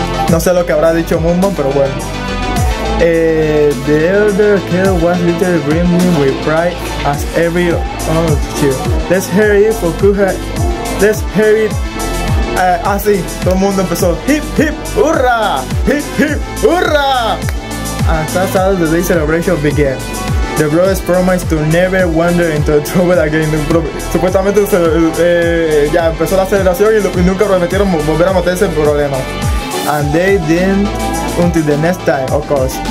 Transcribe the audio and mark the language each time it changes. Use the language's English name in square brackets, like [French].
[Spanish] No sé lo que habrá dicho Moonman, pero bueno. [English] The elder kid was literally brimming with pride as every other cheer. Let's hear it for Kuge. Let's hear it. [Spanish] Así, todo el mundo empezó. Hip, hip, hurra. Hip, hip, hurra. [English] And that's how the day celebration began. The brothers promised to never wander into trouble again. [Spanish] Supuestamente ya empezó la celebración y nunca prometieron volver a meterse en problemas. [English] And they didn't until the next time, of course.